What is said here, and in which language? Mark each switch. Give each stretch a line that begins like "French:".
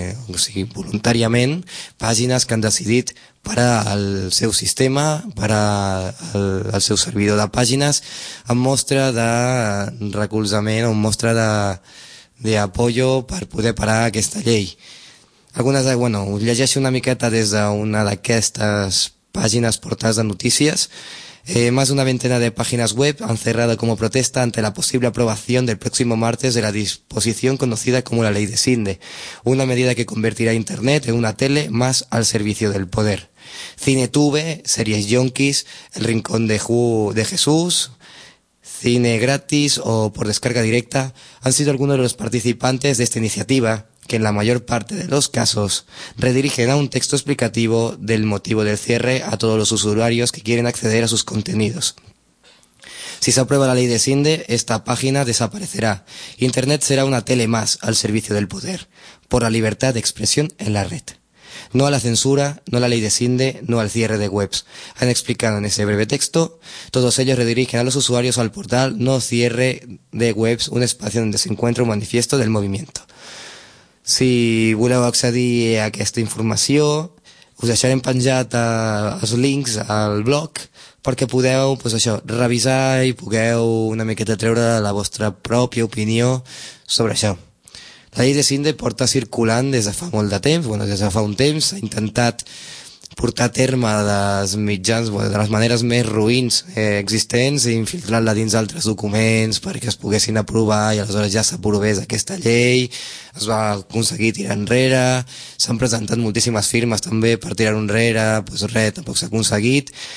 Catalan: o sigui, voluntàriament, pàgines que han decidit parar el seu sistema, parar el seu servidor de pàgines, en mostra de recolzament, en mostra d'apoyo per poder parar aquesta llei. Algunes, bueno, us llegeixo una miqueta des d'una d'aquestes pàgines portades de notícies.
Spanish: Más de una veintena de páginas web han cerrado como protesta ante la posible aprobación del próximo martes de la disposición conocida como la Ley de Sinde, una medida que convertirá Internet en una tele más al servicio del poder. CineTube, series yonkis, El Rincón de Jesús, cine gratis o por descarga directa han sido algunos de los participantes de esta iniciativa, que en la mayor parte de los casos redirigen a un texto explicativo del motivo del cierre a todos los usuarios que quieren acceder a sus contenidos. Si se aprueba la Ley de Sinde, esta página desaparecerá. Internet será una tele más al servicio del poder, por la libertad de expresión en la red. No a la censura, no a la Ley de Sinde, no al cierre de webs. Han explicado en ese breve texto, todos ellos redirigen a los usuarios al portal No Cierre de Webs, un espacio donde se encuentra un manifiesto del movimiento.
Catalan: Si voleu accedir a aquesta informació, us deixarem penjat els links al blog perquè podeu, pues això, revisar i pugueu una miqueta treure la vostra pròpia opinió sobre això. La Llei de Sinde porta circulant des de fa molt de temps, bueno, des de fa un temps s'ha intentat portar a terme dels mitjans, bueno, de les maneres més ruïns existents i infiltrar-la dins altres documents perquè es poguessin aprovar i aleshores ja s'aprovés aquesta llei, es va aconseguir tirar enrere, s'han presentat moltíssimes firmes també per tirar enrere, doncs res, tampoc s'ha aconseguit.